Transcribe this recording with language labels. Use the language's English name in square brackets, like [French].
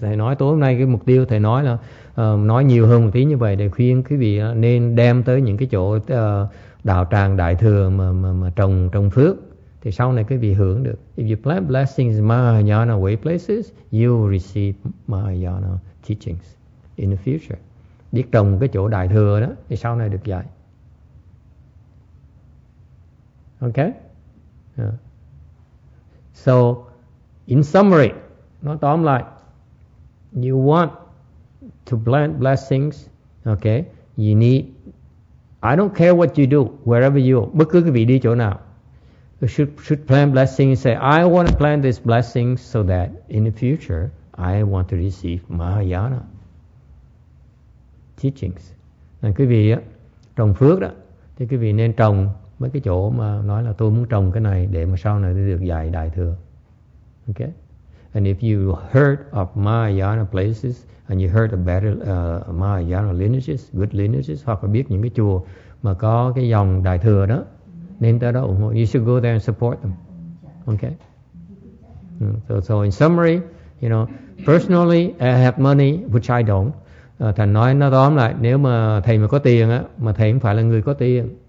[Vietnamese] Thầy nói tối hôm nay cái mục tiêu thầy nói là nói nhiều hơn một tí như vậy để khuyên quý vị nên đem tới những cái chỗ đạo tràng đại thừa mà trồng phước thì sau này quý vị hưởng được. [English] If you plant blessings in Mahayana way places, you will receive Mahayana teachings in the future. [Vietnamese] Biết trồng cái chỗ đại thừa đó thì sau này được dạy. [English] Okay? Yeah. So, in summary, [Vietnamese] nói tóm lại, [English] you want to plant blessings, okay? You need, I don't care what you do, wherever you are, [Vietnamese] bất cứ quý vị đi chỗ nào, [English] you should plant blessings, say, I want to plant this blessing so that in the future, I want to receive Mahayana teachings. [Vietnamese] Nên quý vị á, trồng phước đó, thì quý vị nên trồng mấy cái chỗ mà nói là tôi muốn trồng cái này để mà sau này tôi được dạy đại thừa. Okay? [English] And if you heard of Mahayana places and you heard of better Mahayana lineages, good lineages, [Vietnamese] hoặc là biết những cái chùa mà có cái dòng đại thừa đó, nên tới đó ủng hộ. [English] You should go there and support them. Okay? So in summary, you know, personally I have money, which I don't. [Vietnamese] Thầy nói nó tóm lại, nếu mà thầy mà có tiền á, mà thầy không phải là người có tiền.